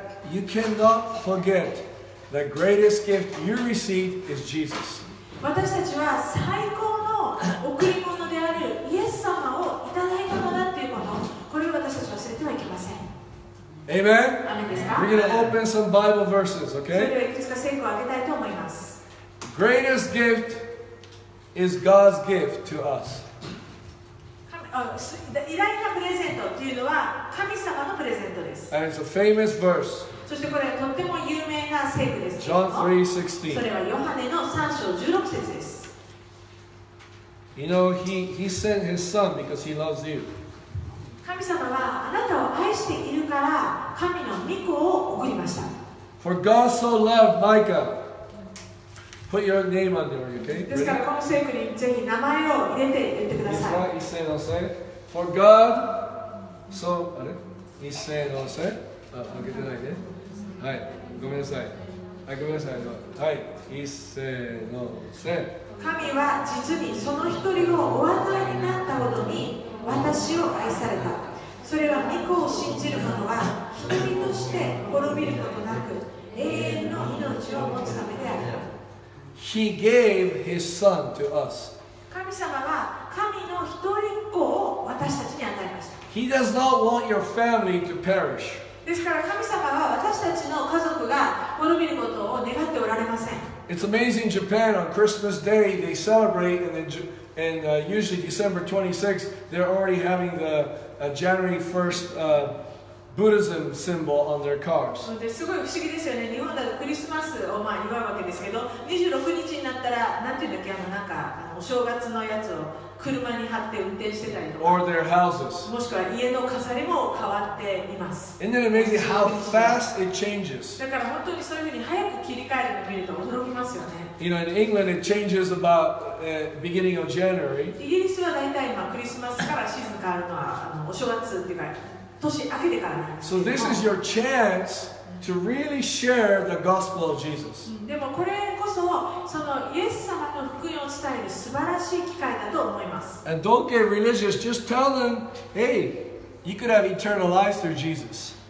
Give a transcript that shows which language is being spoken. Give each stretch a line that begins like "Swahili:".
English: You cannot forget the greatest gift you received is Jesus.
Japanese: 私たちは最高の贈り物であるイエス様をいただいたのだっていうこと、これを私たち忘れてはいけません。
English: Amen? Amen. We're going to open some Bible verses, okay?
Japanese: それではいくつか聖句をあげたいと思います。
English: Greatest gift is God's gift to us.
Japanese: 偉大なプレゼントというのは神様のプレゼントです。
English: And it's a famous verse.
Japanese: そしてこれはとっても有名な聖句です。
English: John 3:16.
Japanese: それはヨハネの3章16節です。
English: You know, he sent his son because he loves you.
Japanese: 神様はあなたを愛しているから神の御子を送りました。
English: For God so loved Micah. Put your name on there, okay?
Japanese: ですからこの聖句にぜひ名前を入れて言ってください。
English: He said, For God so,
Japanese: あれ?
English: He said, I'll say.
Japanese: 開けてないね。はい、ごめんなさい。はい、ごめんなさい。はい、一、せーの、せん。神は実にその一人をお与えになったほどに私を愛された。それは御子を信じる者は一人として滅びることなく永遠の命を持つためである。
English: He gave his son to us.
Japanese: 神様は神の一人子を私たちに与えました。
English: He does not want your family to perish.
Japanese: ですから神様は私たちの家族が滅びることを願っておられません。
English: It's amazing Japan on Christmas Day they celebrate and then and usually December 26th they're already having the January 1st Buddhism symbol on their cars.
Japanese: すごい不思議ですよね。日本だとクリスマスをまあ祝うわけですけど、26日になったらなんていうんだっけ、なんかお正月のやつを車に貼って運転してたりとか、
English: or their houses.
Japanese: もしくは家の飾りも変わっています。
English: Isn't it amazing how fast it changes?
Japanese: だから本当にそういうふうに早く切り替えてみると驚きますよね。
English: You know, in England, it changes about beginning of January.
Japanese: イギリスは大体今クリスマスからシーズン変わるのはお正月っていうか年明けてからなんです。
English: So this is your chance to really share the gospel of Jesus.
Japanese: でもこれこそそのイエス様の福音を伝える素晴らしい機会だと思います。
English: And don't get religious, just tell them, hey, you could have eternal life through Jesus.